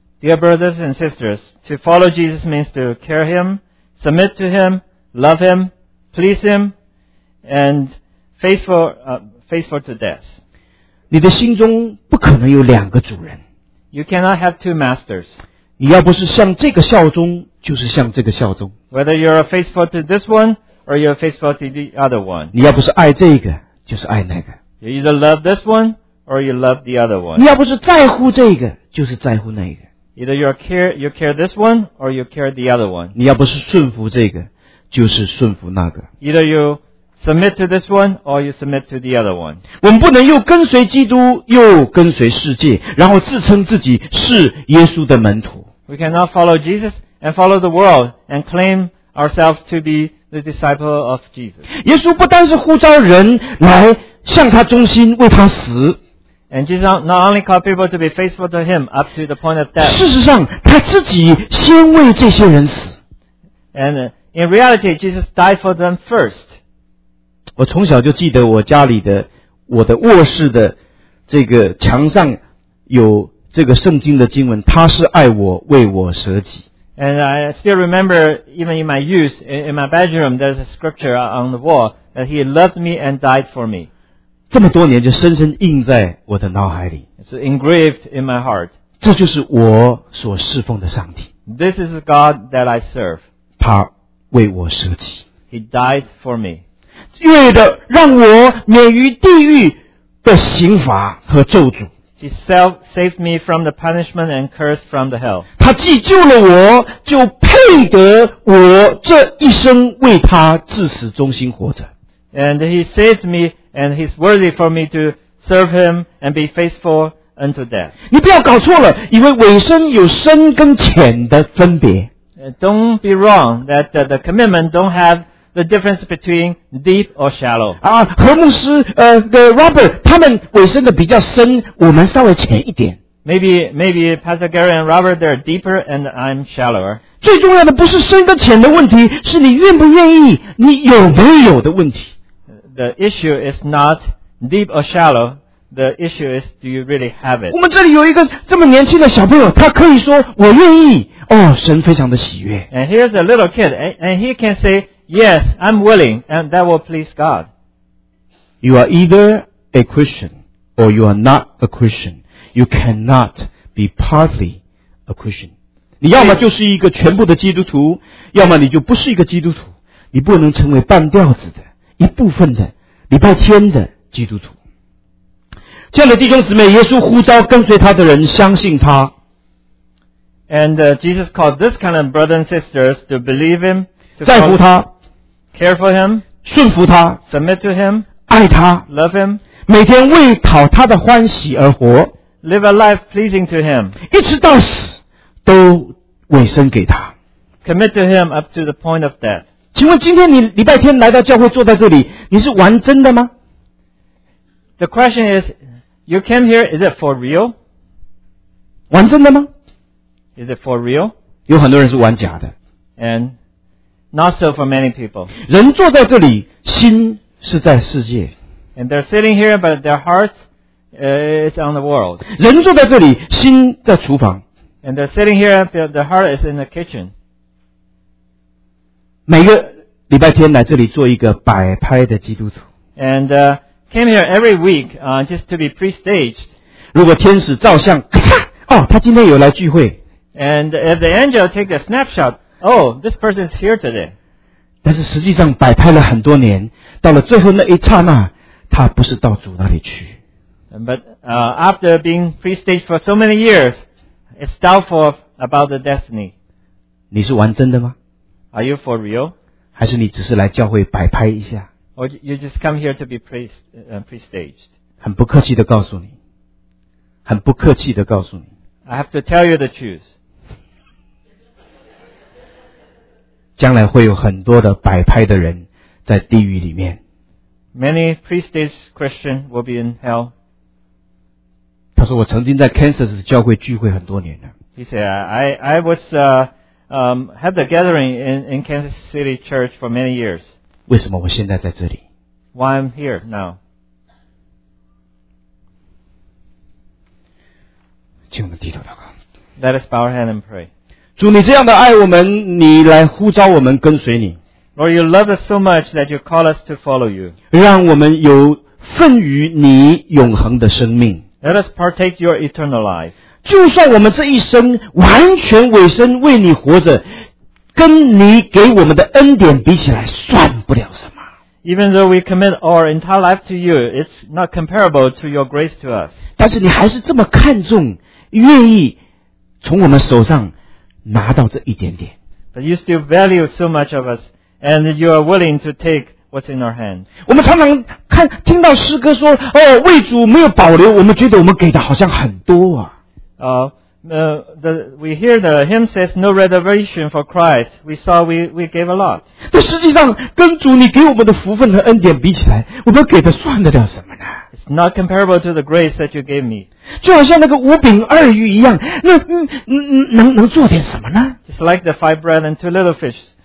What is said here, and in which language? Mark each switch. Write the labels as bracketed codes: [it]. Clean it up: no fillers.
[en] Dear brothers and sisters, to follow Jesus means to care Him, submit to Him, love Him, please Him, and faithful to death. [zh] 你的心中不可能有两个主人。 [en] You cannot have two masters. [zh] 你要不是像这个效忠，就是像这个效忠。 [en] Whether you are faithful to this one, or you are faithful to the other one. [zh] 你要不是爱这个，就是爱那个。 [en] You either love this one, or you love the other one. [zh] 你要不是在乎这个，就是在乎那个。 [en] Either you care this one or you care the other one. [zh] 你要不是顺服这个，就是顺服那个。 [en] Either you submit to this one or you submit to the other one. [zh] 我们不能又跟随基督又跟随世界，然后自称自己是耶稣的门徒。 [en] We cannot follow Jesus and follow the world and claim ourselves to be the disciple of Jesus. [zh] 耶稣不单是呼召人来向他忠心，为他死。 [en] And Jesus not only called people to be faithful to Him up to the point of death. [zh] 事实上，他自己先为这些人死。 [en] And in reality, Jesus died for them first. [zh] 我从小就记得我家里的我的卧室的这个墙上有这个圣经的经文，他是爱我，为我舍己。 [en] And I still remember, even in my youth, in my bedroom, there's a scripture on the wall that He loved me and died for me. [zh] 这么多年就深深印在我的脑海里。 [en] It's engraved in my heart. [zh] 这就是我所侍奉的上帝。 [en] This is God that I serve. [zh] 他为我舍己。 [en] He died for me. [zh] 为了让我免于地狱的刑罚和咒诅。 [en] He saved me from the punishment and curse from the hell. [zh] 他既救了我，就配得我这一生为他至死忠心活着。 [en] And He saved me. And He's worthy for me to serve Him and be faithful unto death. [zh] 你不要搞错了，以为委身有深跟浅的分别。 [en] Don't be wrong that the commitment don't have the difference between deep or shallow. [zh] 啊，何牧师，the Robert, 他们委身的比较深，我们稍微浅一点。 [en] Maybe Pastor Gary and Robert, they're deeper and I'm shallower. [zh] 最重要的不是深跟浅的问题，是你愿不愿意，你有没有的问题。 [en] The issue is not deep or shallow. The issue is, do you really have it? [zh] 我们这里有一个这么年轻的小朋友，他可以说我愿意。哦，神非常的喜悦。 [en] And here's a little kid, and he can say, yes, I'm willing, and that will please God. You are either a Christian or you are not a Christian. You cannot be partly a Christian. [zh] 你要么就是一个全部的基督徒，要么你就不是一个基督徒。你不能成为半吊子的。一部分的礼拜天的基督徒。这样的弟兄姊妹，耶稣呼召跟随他的人相信他。 [en] And Jesus called this kind of brothers and sisters to believe him, to [zh] 在乎他 [en] care for him, [zh] 顺服他 [en] submit to him, [zh] 爱他 [en] love him, [zh] 每天为讨他的欢喜而活 [en] live a life pleasing to him, [zh] 一直到死都委身给他 [en] commit to him up to the point of death。 [zh] 请问今天你礼拜天来到教会坐在这里，你是玩真的吗？ [en] The question is, you came here, is it for real? [zh] 玩真的吗？ [en] Is it for real? [zh] 有很多人是玩假的。 [en] And not so for many people. [zh] 人坐在这里，心是在世界。 [en] And they're sitting here, but their hearts It's on the world. [zh] 人坐在这里，心在厨房。 [en] And they're sitting here, the heart is in the kitchen. [zh] 每个礼拜天来这里做一个摆拍的基督徒。 [en] And came here every week, just to be pre-staged. [zh] 如果天使照相，咔嚓，哦，他今天有来聚会。 [en] And if the angel take a snapshot, oh, this person is here today. [zh] 但是实际上摆拍了很多年，到了最后那一刹那，他不是到主那里去。 [en] But after being pre-staged for so many years, it's doubtful about the destiny. [zh] 你是玩真的吗？ [en] Are you for real? [zh] 还是你只是来教会摆拍一下？ [en] Or you just come here to be pre-staged? [zh] 很不客气地告诉你，很不客气地告诉你。 [en] I have to tell you the truth. [zh] 将来会有很多的摆拍的人在地狱里面。 [en] Many pre-staged Christians will be in hell. [zh] 他说：“我曾经在 Kansas 教会聚会很多年了。” [en] He said, "I was had the gathering in Kansas City Church for many years." [zh] 为什么我现在在这里？ [en] Why I'm here now? [zh] 请我们低头祷告。 [en] Let us bow our hand and pray. [zh] 主，你这样的爱我们，你来呼召我们跟随你。 [en] Lord, you love us so much that you call us to follow you. [zh] 让我们有份于你永恒的生命。 [en] Let us partake your eternal life. [zh] 就算我们这一生完全委身为你活着，跟你给我们的恩典比起来，算不了什么。 [en] Even though we commit our entire life to you, it's not comparable to your grace to us. [zh] 但是你还是这么看重，愿意从我们手上拿到这一点点。 [en] But you still value so much of us, and you are willing to take. What's in our hands? [zh] 我们常常看听到诗歌说，哦，为主没有保留，我们觉得我们给的好像很多啊。 [en] We hear the hymn says no reservation for Christ. We saw we gave a lot. [zh] 但实际上，跟主你给我们的福分和恩典比起来，我们给的算得了什么呢？ [en] It's not comparable to the grace that you gave me. [zh] 就好像那个五饼二鱼一样，那能做点什么呢？ [en] Just like the five bread and two little fish.